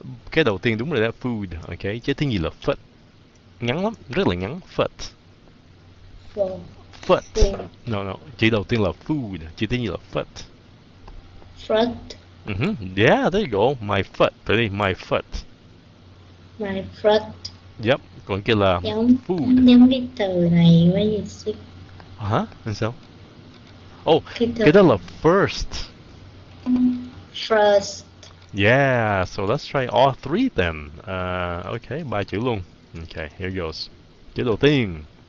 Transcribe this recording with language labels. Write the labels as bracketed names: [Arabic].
[Vietnamese] Cái đầu tiên đúng rồi là food, ok? Chứ tiếng gì là foot? Ngắn lắm, rất là ngắn, foot. Foot. [English] No, no, [Vietnamese] chữ đầu tiên là food, chữ tiếng gì là foot? [English] Foot. Yeah, there you go, my foot, pretty, my foot. My foot. [Vietnamese] Yep, còn kia là giống, [English] food. [Vietnamese] Giống cái từ này với gì xích. Hả? Làm sao? Oh, cái đó là first. [English] First. Yeah, so let's try all three then. [Vietnamese] Okay, ba chữ luôn. [English] Okay, here goes. [Vietnamese] Chữ đầu tiên.